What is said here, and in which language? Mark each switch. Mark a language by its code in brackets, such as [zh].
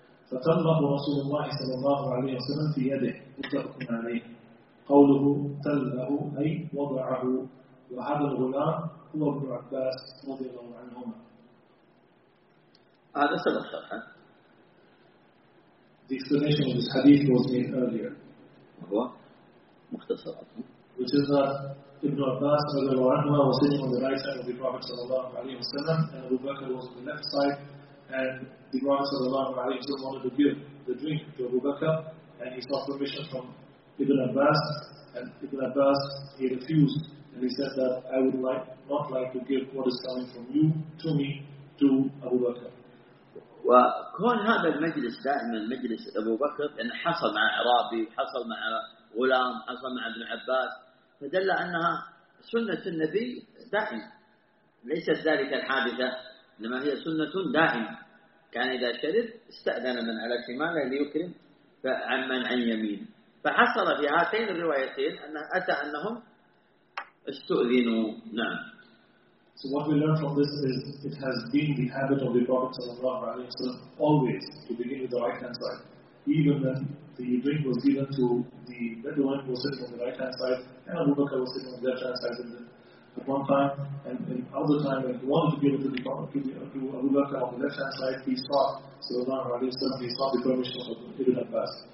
[ar] فتلمه رسول الله صلى الله عليه وسلم في يده متفق عليه. قوله تلمه أي وضعه. وهذا الغلام هو ابن عباس رضي الله عنهما. هذا سبب شرحه. [en] The explanation of this hadith was made earlier. [ar] هو مختصر. [en] Which is that Ibn Abbas was sitting on the right side of the Prophet sallallahu alayhi wa sallam, and Abu Bakr was on the left side, and the Prophet sallallahu alayhi wa sallam wanted to give the drink to Abu Bakr, and he sought permission from Ibn Abbas, and Ibn Abbas, he refused, and he said that I would like not like to give what is coming from you to me to Abu Bakr. [ar] وكون هذا المجلس دائما مجلس أبو بكر لأنه حصل مع إعرابي حصل مع غلام حصل مع ابن عباس فدل أنها سنة النبي دائما ليست ذلك الحادثة لما هي سنة دائما كان إذا شرب استأذن من على شماله ليكرم فعمن عن يمين فحصل في هاتين الروايتين أنه أتى أنهم استؤذنوا. نعم. [en] So what we learn from this is it has been the habit of the Prophet always to begin with the right hand side. Even when the drink was given to the Bedouin who was sitting on the right hand side and Abu Bakr was sitting on the left hand side at one time and in other time when he wanted to give it to the Prophet to Abu Bakr on the left hand side, he sought Sallallahu Alaihi Wasallam, he sought the permission of Ibn Abbas.